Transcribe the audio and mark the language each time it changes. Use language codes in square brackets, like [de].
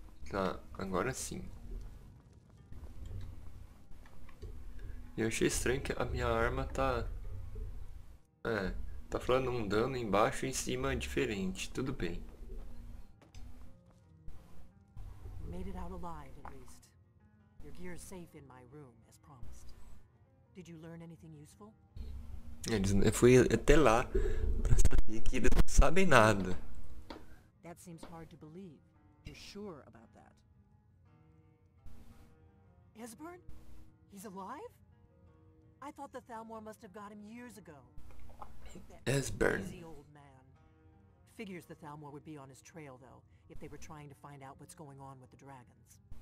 [pt] Tá, agora sim. Eu achei estranho que a minha arma tá. É, tá falando um dano embaixo e em cima é diferente. Tudo bem. [en] Made it out alive, at least. Your gear is safe in my room, as promised. Did you learn anything useful? [pt] Eu fui até lá pra saber que eles não sabem nada. [en] That seems hard to believe. You're sure about that? Esbern? He's alive? I thought the Thalmor must have got him years ago. That Esbern. crazy old man. Figures the Thalmor would be on his trail, though, if they were trying to find out what's going on with the dragons.